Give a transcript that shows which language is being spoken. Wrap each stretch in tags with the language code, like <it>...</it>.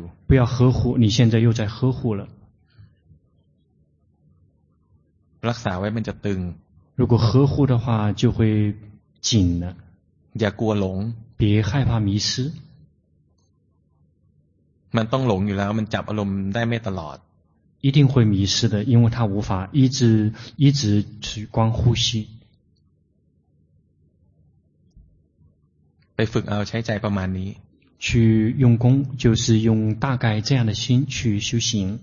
<zh>不要呵护你现在又在呵护了</zh> <th>รักษาไว้มันจะตึง</th> <zh>如果呵护的话就会紧了</zh> <th>อย่ากลัวหลง</th> <zh>别害怕迷失</zh> <th>มันต้องหลงอยู่แล้วมันจับอารมณ์ได้ไม่ตลอด</th> <zh>一定会迷失的因为它无法一直去光呼吸</zh> <th>ไปฝึกเอาใช้ใจประมาณนี้</th> <zh>去用功就是用大概这样的心去修行</zh>